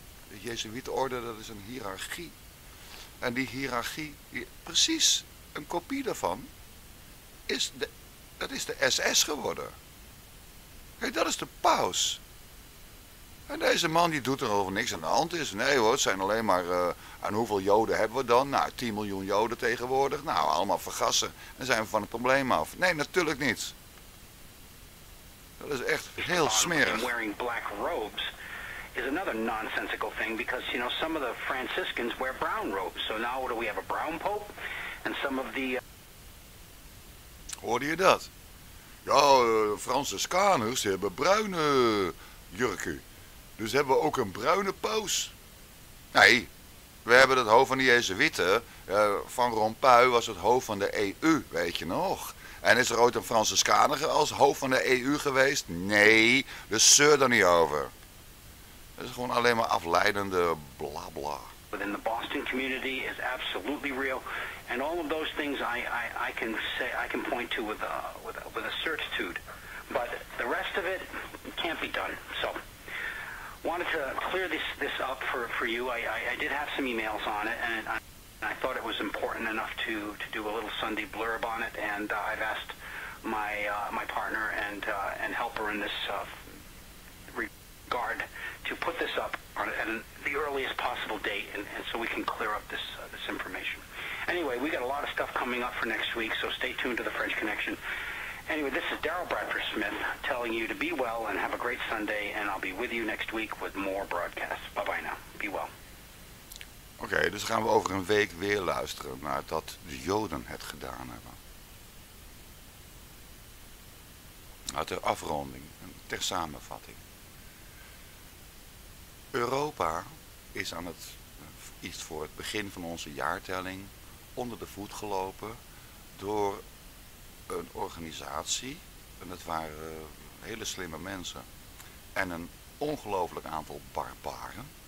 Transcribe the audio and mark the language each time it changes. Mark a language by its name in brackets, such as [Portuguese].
[Dutch] De Jezuïetenorde, dat is een hiërarchie. En die hiërarchie, precies een kopie daarvan, is de SS geworden. Kijk, dat is de paus. En deze man die doet er over niks aan de hand is. Nee hoor, het zijn alleen maar, aan hoeveel joden hebben we dan? Nou, 10 miljoen joden tegenwoordig. Nou, allemaal vergassen. En zijn we van het probleem af. Nee, natuurlijk niet. Dat is echt heel smerig. [English] Wearing black robes is another nonsensical thing because, you know, some of the Franciscans wear brown robes. So now do we have a brown pope? And some of the... [Dutch] Hoorde je dat? Ja, Franciscaners hebben bruine jurken. Dus hebben we ook een bruine paus? Nee, we hebben het hoofd van de Jezuïeten. Van Rompuy was het hoofd van de EU, weet je nog? En is er ooit een Franciscaner als hoofd van de EU geweest? Nee, dus zeur er niet over. Dat is gewoon alleen maar afleidende blabla. [English] Within the Boston community is absolutely real, and all of those things I can say I can point to with a certitude, but the rest of it can't be done. So wanted to clear this up for you. I did have some emails on it, and I thought it was important enough to do a little Sunday blurb on it, and I've asked my partner and helper in this regard to put this up on it at the earliest possible date, and so we can clear up this information. Anyway, we got a lot of stuff coming up for next week, so stay tuned to the French Connection. Anyway, this is Daryl Bradford Smith telling you to be well and have a great Sunday, and I'll be with you next week with more broadcasts. Bye-bye now. Be well. [Dutch] Okay, dus gaan we over een week weer luisteren naar dat de Joden het gedaan hebben. Naar de afronding, ter samenvatting. Europa is aan het, iets voor het begin van onze jaartelling, onder de voet gelopen door een organisatie, en dat waren hele slimme mensen, en een ongelooflijk aantal barbaren.